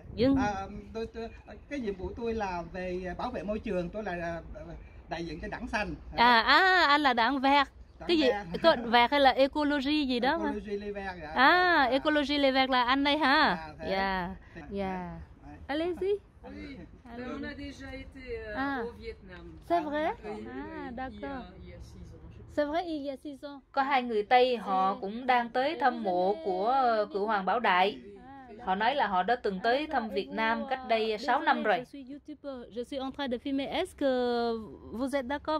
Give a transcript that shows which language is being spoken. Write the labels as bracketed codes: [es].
[vi] Nhưng cái nhiệm vụ tôi là về bảo vệ môi trường, tôi là đại diện cho Đảng Xanh. À, à anh là Đảng Vẹt. Cái gì? Cái vẹt hay là ecology gì đó hả? Ecology le vẹt dạ. À, ecology le vẹt là anh đây hả? Dạ. Dạ. [fr] Allez-y. Oui. Alors, on a déjà été au Vietnam. C'est vrai? D'accord. C'est vrai, il y a 6 ans. [vi] Có hai người Tây họ cũng đang tới thăm mộ của cựu hoàng Bảo Đại. Họ nói là họ đã từng tới thăm Việt Nam cách đây 6 năm rồi. [fr] Je suis youtubeur. Je suis en train de filmer. Est-ce que vous êtes d'accord?